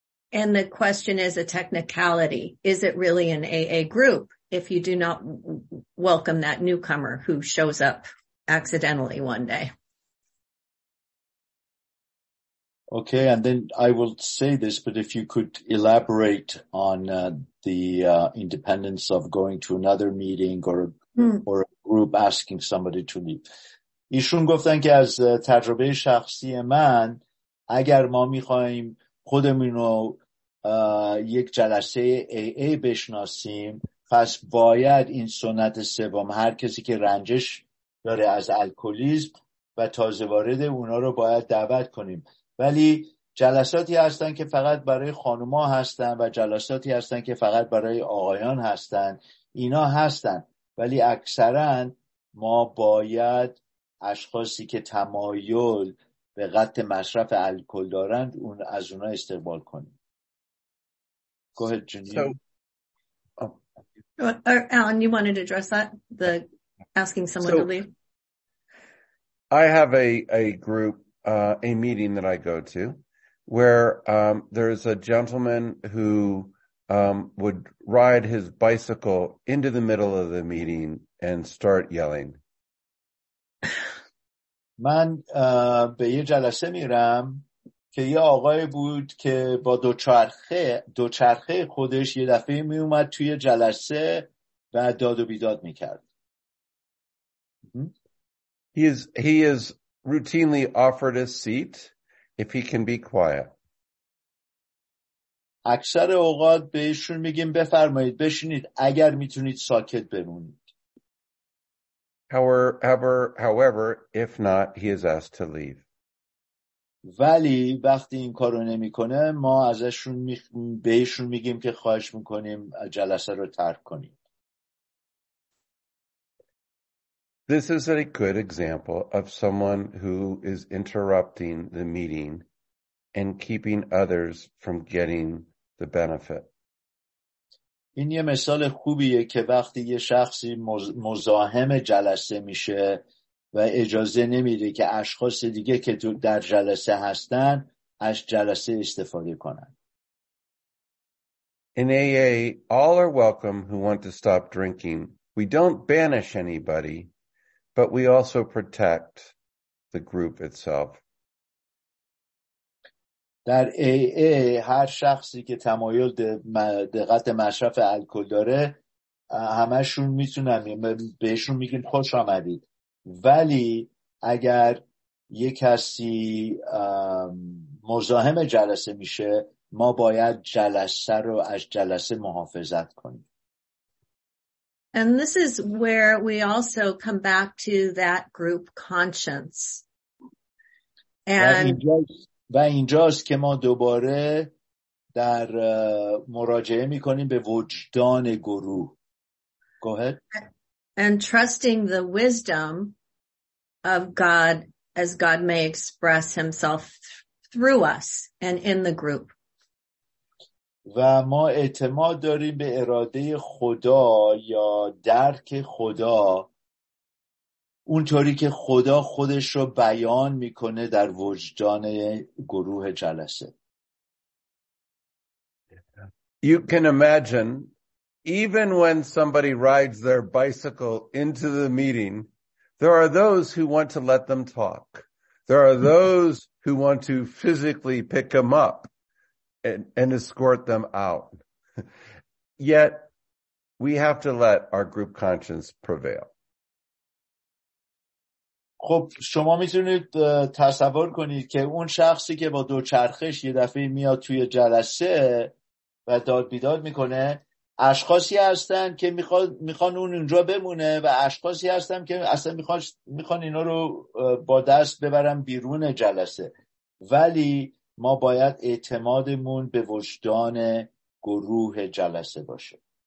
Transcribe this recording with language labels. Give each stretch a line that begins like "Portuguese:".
English: And the question is a technicality. Is it really an AA group if you do not welcome that newcomer who shows up accidentally one day? Okay, and then I will say this, but if you could elaborate on independence of going to another meeting or a group asking somebody to leave.
Persian: ایشون گفتن که از تجربه شخصی من اگر ما میخواییم خودمون رو یک جلسه AA بشناسیم پس باید این سنت سوم هر کسی که رنجش داره از الکلیسم و تازه وارد اونا رو باید دعوت کنیم ولی جلساتی هستن که فقط برای خانوما هستن و جلساتی هستن که فقط برای آقایان هستن اینا هستن ولی اکثرا ما باید اشخاصی که تمایل به قطع مصرف الکل دارند اون از اونها استقبال کنیم.
English: Go ahead, Janine. So, Alan, you wanted to address that, the asking someone to leave? I have a group, a meeting that I go to where there's a gentleman who would ride his bicycle into the middle of the meeting and start yelling.
Persian: من به یه جلسه میرم که یه آقای بود که با دوچرخه خودش یه دفعه میومد توی جلسه و داد و بیداد میکرد.
English: He is routinely offered a seat if he can be quiet.
Persian: اکثر اوقات بهشون میگیم بفرمایید بشینید اگر میتونید ساکت بمونید.
English: However, if not, he is asked to leave.
Persian: ولی وقتی این کارو نمیکنه ما ازشون بهشون میگیم که خواهش میکنیم جلسه رو ترک کنید.
English: This is a good example of someone who is interrupting the meeting and keeping others from getting the benefit.
Persian: این یه مثال خوبیه که وقتی یه شخصی مزاحم جلسه میشه و اجازه نمیده که اشخاص دیگه که در جلسه هستن از جلسه استفاده کنن.
English: In AA, all are welcome who want to stop drinking. We don't banish anybody, but we also protect the group itself.
Persian: در AA هر شخصی که تمایل دقت مصرف الکل داره همشون میتونن بهشون میگن خوش آمدید، ولی اگر یه کسی مزاحم جلسه میشه ما باید جلسه رو از جلسه محافظت کنیم.
English: And this is where we also come back to that group conscience.
Persian: و اینجاست که ما دوباره در مراجعه میکنیم به وجدان گروه.
English: Go ahead. And trusting the wisdom of God as God may express himself through us and in the group.
Persian: و ما اعتماد داریم به اراده خدا یا درک خدا اونطوری که خدا خودش رو بیان میکنه در وجدان گروه جلسه.
English: You can imagine even when somebody rides their bicycle into the meeting there are those who want to let them talk. There are those who want to physically pick them up and escort them out. Yet we have to let our group conscience prevail.
Persian: خب شما میتونید تصور کنید که اون شخصی که با دوچرخش یه دفعه میاد توی جلسه و داد بیداد میکنه، اشخاصی هستن که میخوان اون اونجا بمونه و اشخاصی هستن که اصلا میخوان اینا رو با دست ببرن بیرون جلسه، ولی ما باید اعتمادمون به وجدان گروه جلسه باشه.